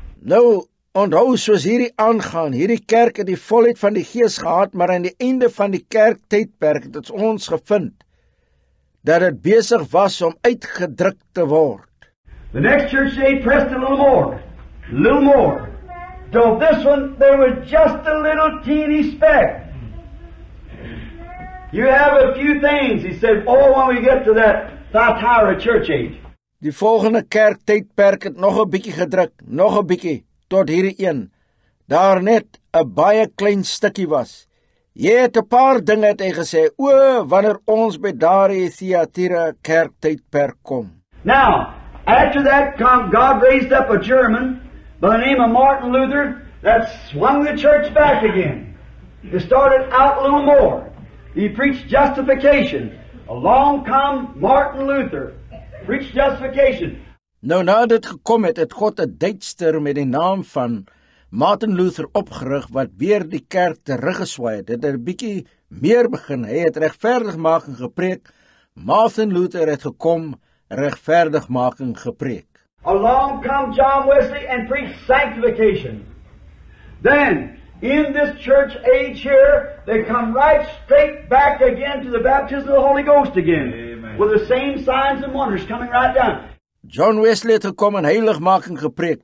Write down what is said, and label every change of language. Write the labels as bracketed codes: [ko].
[af] Nou, onthou soos hierdie aangaan, hierdie kerk het die volheid van die Gees gehad, maar aan die einde van die kerk tydperk het ons gevind dat het besig was om uitgedruk te word. [en] The next church age pressed a little more. Till this one, there was just a little teeny speck. You have a few things, he said, when we get to that Thyatira church age. [af] Die volgende kerk tydperk het nog 'n bietjie gedruk, nog 'n bietjie, tot hierdie een. Daar net 'n baie klein stukkie was. Jy het 'n paar dinge het hy gesê, wanneer ons by daardie Thyatira kerk tydperk kom. [en] Now, after that come God raised up a German by the name of Martin Luther that swung the church back again. It started out a little more. He preached justification. Along come Martin Luther. Preached justification. [af] Nou na dit gekom het, het God 'n Duitser met die naam van Martin Luther opgerig wat weer die kerk teruggeswaai het. Dit het 'n bietjie meer begin. Hy het regverdigmaking gepreek. Martin Luther het gekom, regverdigmaking gepreek. [en] Along come John Wesley and preached sanctification. Then in this church age here, they come right straight back again to the baptism of the Holy Ghost again. Amen. With the same signs and wonders coming right down. [af] John Wesley het gekom en heiligmaking gepreek.